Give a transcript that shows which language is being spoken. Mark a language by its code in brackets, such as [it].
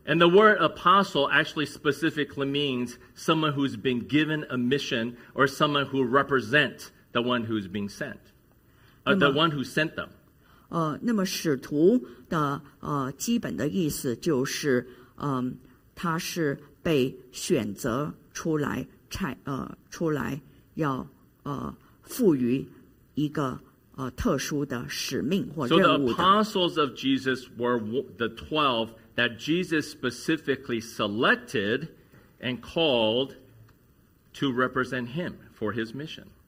[en] And the word apostle actually specifically means someone who's been given a mission or someone who represents the one who's being sent. The one who sent them. [zh] 那么使徒的基本的意思就是他是被选择出来出来要赋予一个特殊的使命或任务的。 [en] So the apostles of Jesus were the 12 that Jesus specifically selected and called to represent him for his mission.